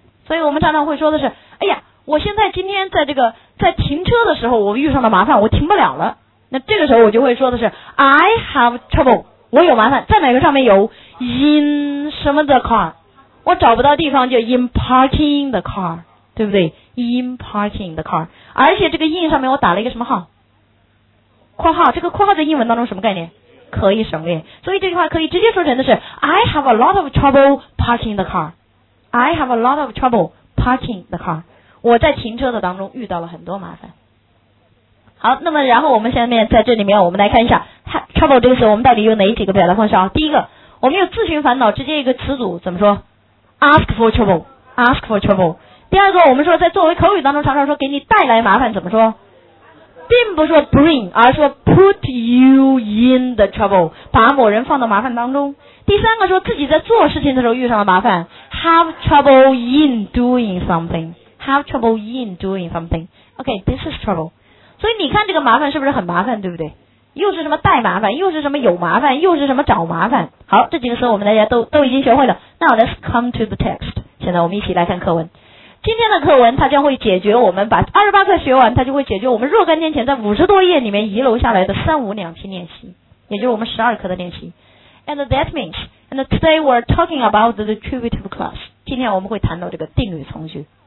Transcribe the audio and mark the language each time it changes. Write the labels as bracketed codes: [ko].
[zh] 所以我们常常会说的是，哎呀，我现在今天在这个在停车的时候我遇上了麻烦，我停不了了。那这个时候我就会说的是 [en] I have trouble， [zh] 我有麻烦。在哪个上面有？ in 什么的 car， 我找不到地方，就 [en] in parking the car， [zh] 对不对？ [en] in parking the car， [zh] 而且这个 in 上面我打了一个什么号？括号。这个括号在英文当中什么概念？可以省略。 [en] 所以这句话可以直接说成的是 I have a lot of trouble parking the car， I have a lot of trouble parking the car， [zh] 我在停车的当中遇到了很多麻烦。好，那么然后我们下面在这里面我们来看一下 trouble 这个词我们到底有哪几个表达方式啊？第一个，我们有自寻烦恼，直接一个词组怎么说？ [en] ask for trouble， ask for trouble。 [zh] 第二个，我们说在作为口语当中常常说给你带来麻烦怎么说？并不说 bring， 而说 [en] put you in the trouble， [zh] 把某人放到麻烦当中。第三个，说自己在做事情的时候遇上了麻烦， [en] have trouble in doing something， have trouble in doing something， OK， this is trouble。 [zh] 所以你看这个麻烦是不是很麻烦，对不对？又是什么带麻烦，又是什么有麻烦，又是什么找麻烦。好，这几个词我们大家都已经学会了。 [en] Now let's come to the text， [zh] 现在我们一起来看课文。今天的课文它将会解决我们把28课学完，它就会解决我们若干天前在50多页里面遗漏下来的三五两拼练习，也就是我们12课的练习。 [en] And that means And today we're talking about the attributive class， [zh] 今天我们会谈到这个定语从句。